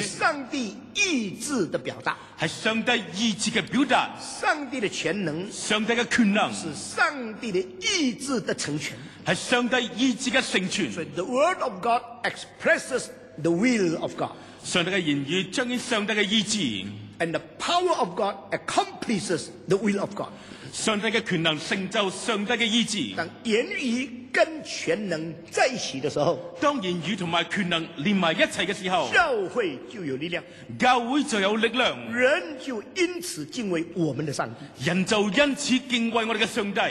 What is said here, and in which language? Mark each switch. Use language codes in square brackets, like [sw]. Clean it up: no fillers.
[zh] 上帝意志的表达。是上帝意志的表达，上帝的全能，上帝的权能，是上帝的意志的成全，是上帝意志的成全。所以 [en] the word of God expresses the will of God， [zh] 上帝的言语彰显上帝的意志。 [en] and the power of God accomplishes the will of God， [zh] 上帝的权能成就上帝的意志。当言语跟全能在一起的时候，当言语和权能连在一起的时候，教会就有力量，教会就有力量，人就因此敬畏我们的上帝，人就因此敬畏我们的上帝。